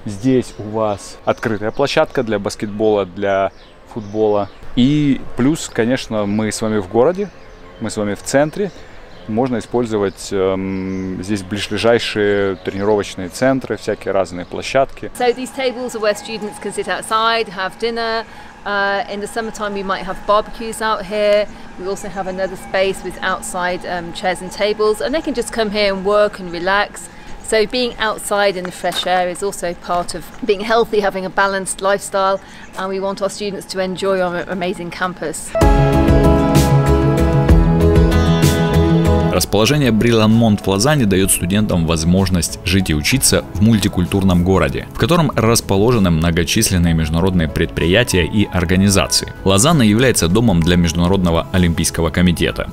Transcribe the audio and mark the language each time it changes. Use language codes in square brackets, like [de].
[ru] Здесь у вас открытая площадка для баскетбола, для футбола. И плюс, конечно, мы с вами в городе, мы с вами в центре. Можно использовать здесь ближайшие тренировочные центры, всякие разные площадки. [en] So these tables are where students can sit outside, have dinner. In the summertime, we might have barbecues out here. We also have another space with outside chairs and tables, and they can just come here and work and relax. So being outside in the fresh air is also part of being healthy, having a balanced lifestyle, and we want our students to enjoy our amazing campus. [ru] Расположение Бриланмонт в Лозанне дает студентам возможность жить и учиться в мультикультурном городе, в котором расположены многочисленные международные предприятия и организации. Лозанна является домом для Международного олимпийского комитета.